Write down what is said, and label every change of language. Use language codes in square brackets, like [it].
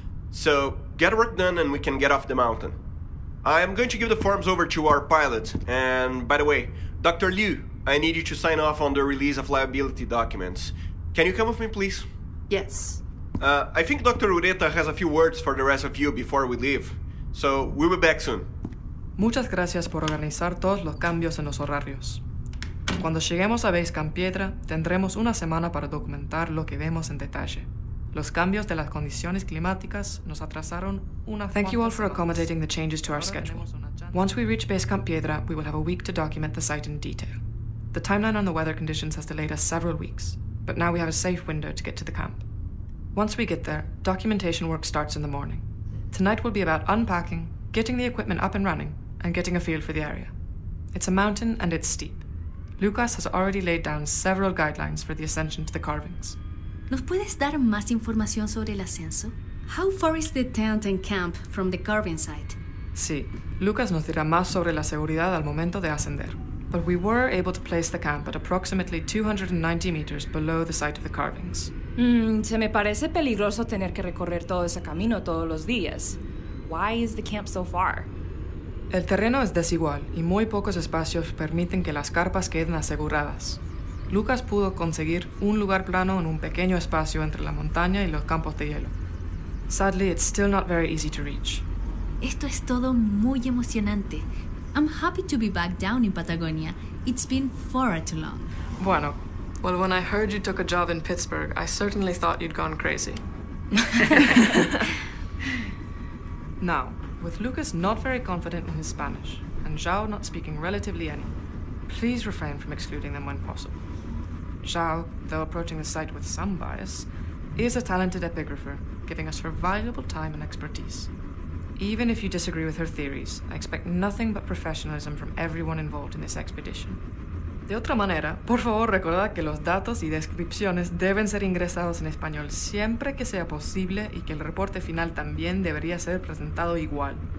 [en] So get work done and we can get off the mountain. I am going to give the forms over to our pilot, and by the way, Dr. Liu, I need you to sign off on the release of liability documents. Can you come with me, please? Yes. I think Dr. Ureta has a few words for the rest of you before we leave, so we'll be back soon. [es] Muchas gracias por organizar todos los cambios en los horarios. Cuando lleguemos a Base Camp Piedra, tendremos una semana para documentar lo que vemos en detalle. Los cambios de las condiciones climáticas nos atrasaron una. [en] Thank you all for accommodating the changes to our schedule. Once we reach Base Camp Piedra, we will have a week to document the site in detail. The timeline on the weather conditions has delayed us several weeks, but now we have a safe window to get to the camp. Once we get there, documentation work starts in the morning. Tonight will be about unpacking, getting the equipment up and running, and getting a feel for the area. It's a mountain and it's steep. Lucas has already laid down several guidelines for the ascension to the carvings. [es] ¿Nos puedes dar más información sobre el ascenso? [en] How far is the tent and camp from the carving site? [es] Sí, Lucas nos dirá más sobre la seguridad al momento de ascender. [en] But we were able to place the camp at approximately 290 meters below the site of the carvings. [es] Se me parece peligroso tener que recorrer todo ese camino todos los días. [en] Why is the camp so far? [es] El terreno es desigual y muy pocos espacios permiten que las carpas queden aseguradas. Lucas pudo conseguir un lugar plano en un pequeño espacio entre la montaña y los campos de hielo. [en] Sadly, it's still not very easy to reach. [es] Esto es todo muy emocionante. [en] I'm happy to be back down in Patagonia. It's been far too long. Bueno, well, when I heard you took a job in Pittsburgh, I certainly thought you'd gone crazy. Now, with Lucas not very confident in his Spanish, and Zhao not speaking relatively any, please refrain from excluding them when possible. Zhao, though approaching the site with some bias, is a talented epigrapher, giving us her valuable time and expertise. Even if you disagree with her theories, I expect nothing but professionalism from everyone involved in this expedition. [es] De otra manera, por favor recordad que los datos y descripciones deben ser ingresados en español siempre que sea posible y que el reporte final también debería ser presentado igual.